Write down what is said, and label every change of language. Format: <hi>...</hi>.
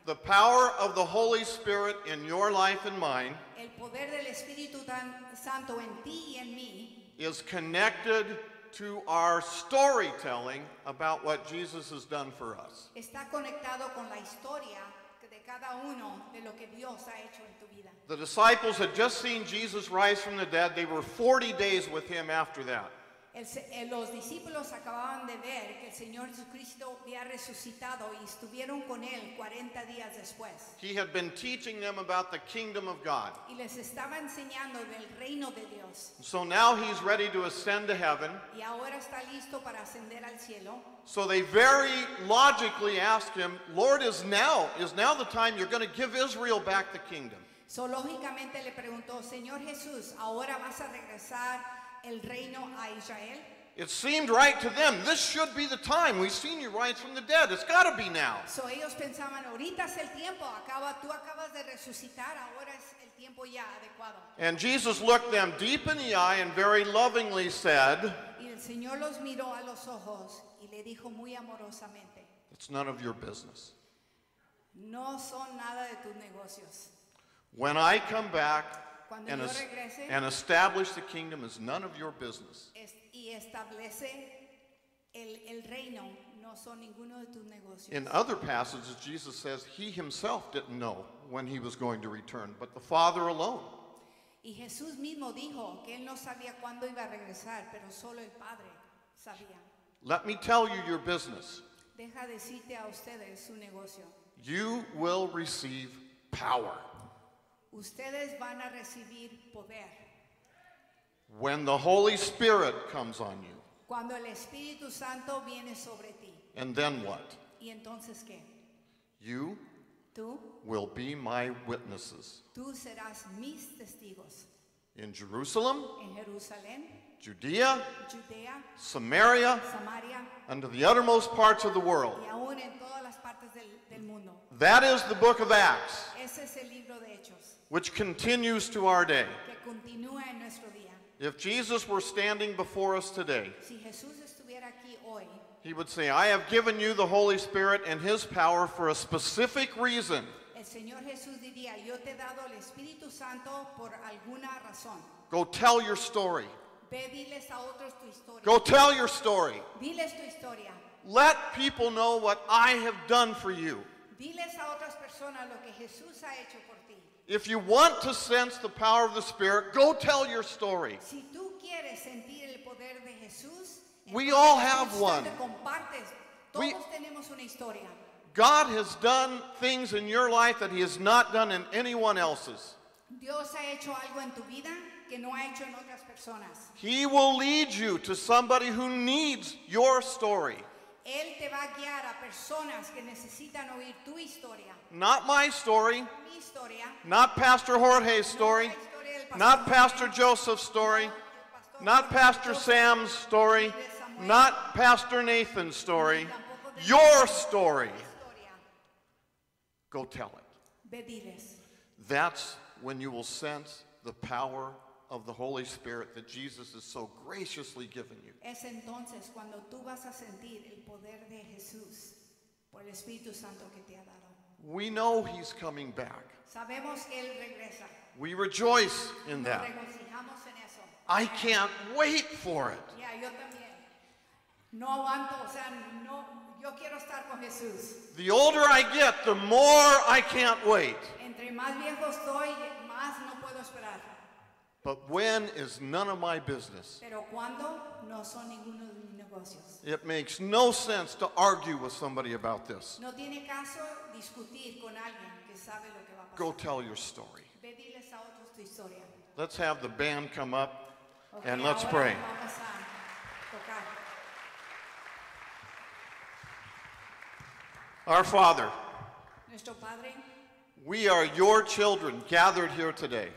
<en>The power of the Holy Spirit in your life and mine,</en> <es>el poder del Espíritu Santo en ti y en mí,</es> <en>is connected to our storytelling about what Jesus has done for us.</en> <es>Está conectado con la historia de cada uno de lo que Dios ha hecho en tu vida.</es> <en>The disciples had just seen Jesus rise from the dead. They were 40 days with him after that.</en> <es>Los discípulos acababan de ver que el Señor Jesucristo había resucitado y estuvieron con él 40 días después.</es> <en>He had been teaching them about the kingdom of God.</en> <es>Y les estaba enseñando del reino de Dios.</es> <en>So now he's ready to ascend to heaven.</en> <es>Y ahora está listo para ascender al cielo.</es> <en>So they very logically asked him, Lord, is now the time you're going to give Israel back the kingdom?</en> <es>So lógicamente le preguntó, Señor Jesús, ¿ahora vas a regresar el reino a Israel?</es> <en>It seemed right to them. This should be the time. We've seen you rise from the dead. It's got to be now.</en> <es>So ellos pensaban, ahorita es el tiempo. Tú acabas de resucitar. Ahora es el tiempo ya adecuado.</es> <en>And Jesus looked them deep in the eye and very lovingly said,</en> <es>y el Señor los miró a los ojos y le dijo muy amorosamente,</es> <en>it's none of your business.</en> <es>No son nada de tus negocios.</es> <en>When I come back,</en> <es>cuando yo regrese,</es> <en>and establish the kingdom is none of your business.</en> <es>Y establece el reino, no son ninguno de tus negocios.</es> <en>In other passages, Jesus says he himself didn't know when he was going to return, but the Father alone.</en> <es>Y Jesús mismo dijo que él no sabía cuándo iba a regresar, pero solo el Padre sabía.</es> <en>Let me tell you your business.</en> <es>Deja decirte a ustedes su negocio.</es> <en>You will receive power.</en> <es>Ustedes van a recibir poder.</es> <en>When the Holy Spirit comes on you.</en> <es>Cuando el Espíritu Santo viene sobre ti.</es> <en>And then what?</en> <es>¿Y entonces qué?</es> <en>You</en> <es>¿Tú?</es> <en>Will be my witnesses.</en> <es>Tú serás mis testigos.</es> <en>In Jerusalem,</en> <es>en Jerusalén,</es> <en>Judea,</en> <es>Judea,</es> <en>Samaria,</en> <es>Samaria,</es> <en>and to the uttermost parts of the world.</en> <es>Y aún en todas las partes del, del mundo.</es> <en>That is the book of Acts,</en> <es>ese es el libro de Hechos,</es> <en>which continues to our day.</en> <es>Que continúa en nuestro día.</es> <en>If Jesus were standing before us today,</en> <es>si Jesús estuviera aquí hoy,</es> <en>he would say, I have given you the Holy Spirit and his power for a specific reason.</en> <es>El Señor Jesús diría, yo te he dado el Espíritu Santo por alguna razón.</es> <en>Go tell your story.</en> <es>Ve, diles a otros tu historia.</es> <en>Go tell your story.</en> <es>Diles tu historia.</es> <en>Let people know what I have done for you.</en> <es>Diles a otras personas lo que Jesús ha hecho por ti.</es> <en>If you want to sense the power of the Spirit, go tell your story.</en> <es>Si tú quieres sentir el poder de Jesús,</es> <en>we all have one.</en> <es>Compartes. Todos tenemos una historia.</es> <en>God has done things in your life that he has not done in anyone else's.</en> <es>Dios ha hecho algo en tu vida que no ha hecho en otras personas.</es> <en>He will lead you to somebody who needs your story.</en> <es>Él te va a guiar a personas que necesitan oír tu historia.</es> <en>Not my story.</en> <es>Mi historia.</es> <en>Not Pastor Jorge's story.</en> <es>No, la historia del pastor.</es> <en>Not Pastor Joseph's story.</en> <es>No, el pastor.</es> <en>Not Pastor Sam's story. Not Pastor Nathan's story. Your story. Go tell it. That's when you will sense the power of the Holy Spirit that Jesus has so graciously given you.</en> <es>Es entonces cuando tú vas a sentir el poder de Jesús por el Espíritu Santo que te ha dado.</es> <en>We know he's coming back.</en> <es>Sabemos que él regresa.</es> <en>We rejoice in that.</en> <es>Nos regocijamos en eso.</es> <en>I can't wait for it.</en> <es>Yeah, yo también. No aguanto, o sea, no. Yo quiero estar con Jesús.</es> <en>The older I get, the more I can't wait.</en> <es>Entre más viejo estoy, más no puedo esperar.</es> <en>But when is none of my business.</en> <es>Pero cuando no son ninguno de mis negocios.</es> <en>It makes no sense to argue with somebody about this.</en> <es>No tiene caso discutir con alguien que sabe lo que va a pasar.</es> <en>Go tell your story.</en> <es>Ve, diles a otros tu historia.</es> <en>Let's have the band come up, okay, and let's pray.</en> <es>Vamos a tocar.</es> <en>Our Father,</en> <es>nuestro Padre,</es> <en>we are your children gathered here today.</en>